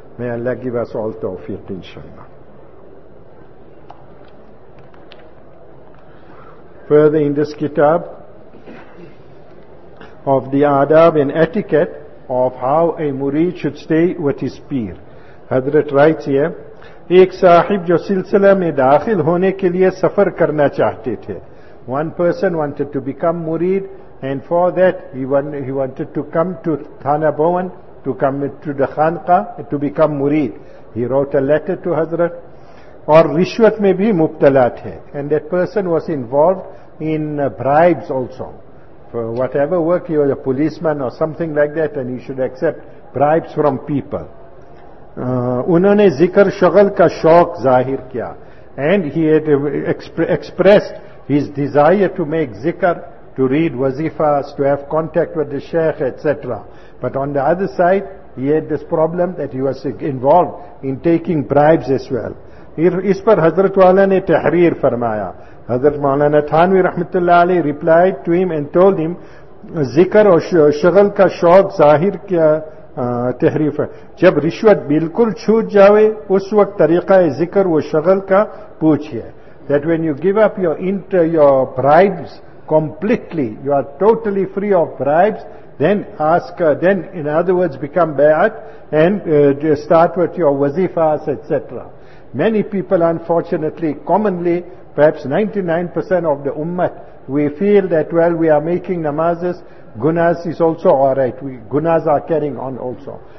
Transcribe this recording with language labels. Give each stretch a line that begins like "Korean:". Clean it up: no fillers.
English: May Allah give us all tawfiq, inshallah. Further in this kitab, of the adab and etiquette of how a murid should stay with his peer. Hadrat writes here,
Urdu: ایک صاحب جو سلسلہ میں داخل ہونے کے لئے سفر کرنا چاہتے تھے.
English: One person wanted to become murid, and for that he wanted to come to Thana Bhawan, to come to the Khanqa, to become murid. He wrote a letter to Hazrat.
Urdu: اور رشوت میں بھی مبتلا تھے.
English: And that person was involved in bribes also. For whatever work, he was a policeman or something like that, and he should accept bribes from people.
Urdu: انہوں نے ذکر شغل کا شوق ظاہر کیا.
English: And he had expressed his desire to make zikr, to read wazifas, to have contact with the sheikh, etc. But on the other side, he had this problem that he was involved in taking bribes as well.
Urdu: اس پر حضرت والا نے تحریر فرمایا. حضرت مولانا تھانوی رحمت اللہ علیہ
English: replied to him and told him,
Urdu: ذکر اور شغل کا شوق ظاہر کیا تحریف ہے. جب رشوت بالکل چھوٹ جاوے اس وقت طریقہ ذکر و شغل کا پوچھئے.
English: That when you give up your bribes completely, you are totally free of bribes, then ask, then in other words become bayat and start with your wazifas, etc. Many people, unfortunately, commonly, perhaps 99% of the ummah, we feel that, well, we are making namazes, gunas is also alright, gunas are carrying on also.